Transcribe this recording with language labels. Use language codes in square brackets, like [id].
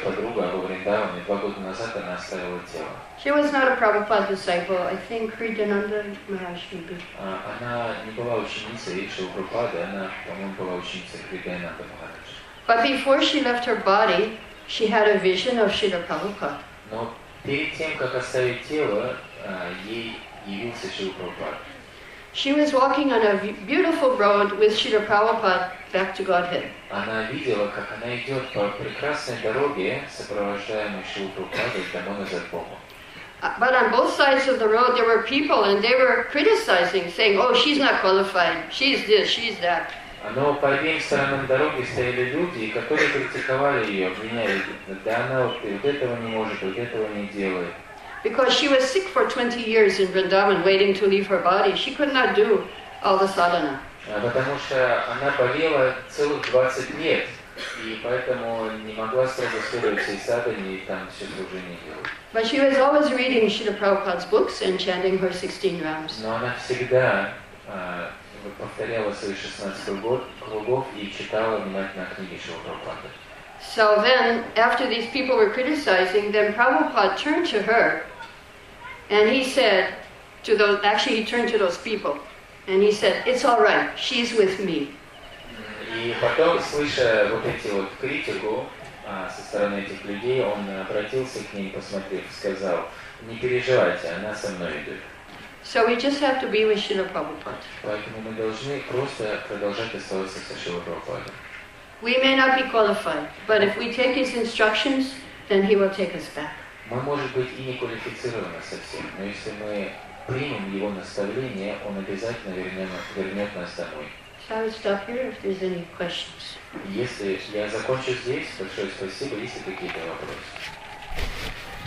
[en] She was not a Prabhupada disciple. I think Kridananda Maharaj maybe. But before she left her body, she had a vision of Srila Prabhupada. [ru] Перед тем, как оставить тело, ей явился Шрила Прабхупада. [en] She was walking on a beautiful road with Srila Prabhupada back to Godhead. [ru] Она видела, как она идет по прекрасной дороге, сопровождаемой Шрилой Прабхупадой, домой назад к Богу. [en] But on both sides of the road there were people and they were criticizing, saying, oh, she's not qualified, she's this, she's that. [ru] Но по обеим сторонам дороги стояли люди, которые критиковали ее, обвиняли, да она вот этого не может, вот этого не делает. [en] Because she was sick for 20 years in Vrindavan, waiting to leave her body, she could not do all the sadhana. [ru] Потому что она болела целых 20 лет, и поэтому не могла сразу следовать всей садхане и там все служение делать. [en] But she was always reading Srila Prabhupada's books and chanting her 16 rounds. [ru] Но она всегда повторяла свои 16 кругов и читала внимательно книги Шрилы Прабхупады. [en] So then, after these people were criticizing, then Prabhupada turned to her and he said to those, actually he turned to those people and he said, it's all right, she's with me. [ru] И потом, слыша вот эти вот критику со стороны этих людей, он обратился к ней, посмотрев, сказал, не переживайте, она со мной идет. [en] So we just have to be with Srila Prabhupada. [ru] Поэтому мы должны просто продолжать оставаться со Шрилой Прабхупадой. [en] We may not be qualified, but if we take his instructions, then he will take us back. [ru] Мы может быть и не квалифицированы совсем, но если мы примем его наставление, он обязательно вернет нас домой. [en] Shall I stop here if there's any questions? [ru] Если я закончу здесь, большое спасибо. Есть ли какие-то вопросы?